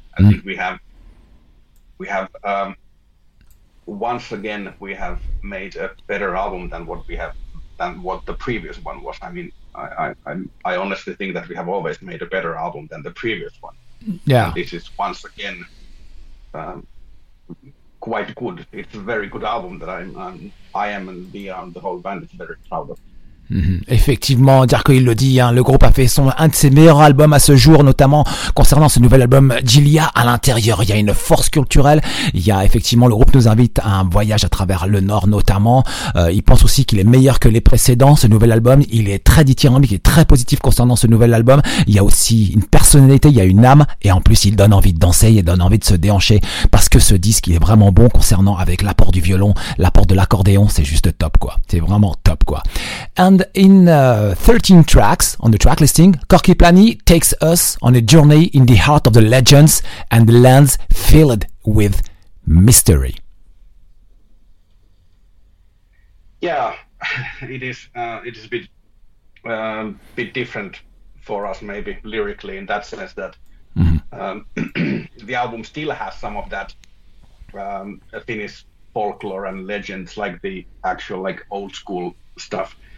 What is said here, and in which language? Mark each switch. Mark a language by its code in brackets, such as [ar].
[en] I think we have once again, we have made a better album than what the previous one was. I mean, I honestly think that we have always made a better album than the previous one. Yeah, and this is once again quite good. It's a very good album that I am and the whole band is very proud of. [fr] Effectivement, dire qu'il le dit, hein, le groupe a fait un de ses meilleurs albums à ce jour, notamment concernant ce nouvel album Gilia. À l'intérieur, il y a une force culturelle. Il y a effectivement, le groupe nous invite à un voyage à travers le Nord, notamment. Il pense aussi qu'il est meilleur que les précédents, ce nouvel album. Il est très dithyrambique et très positif concernant ce nouvel album. Il y a aussi une personnalité, il y a une âme. Et en plus, il donne envie de danser, il donne envie de se déhancher. Parce que ce disque, il est vraiment bon concernant avec l'apport du violon, l'apport de l'accordéon. C'est juste top, quoi. C'est vraiment top, quoi. [en] And in 13 tracks on the track listing, Corky Plany takes us on a journey in the heart of the legends and the lands filled with mystery. Yeah, it is a bit different for us, maybe lyrically, in that sense that the album still has some of that Finnish folklore and legends, like the actual like old school stuff.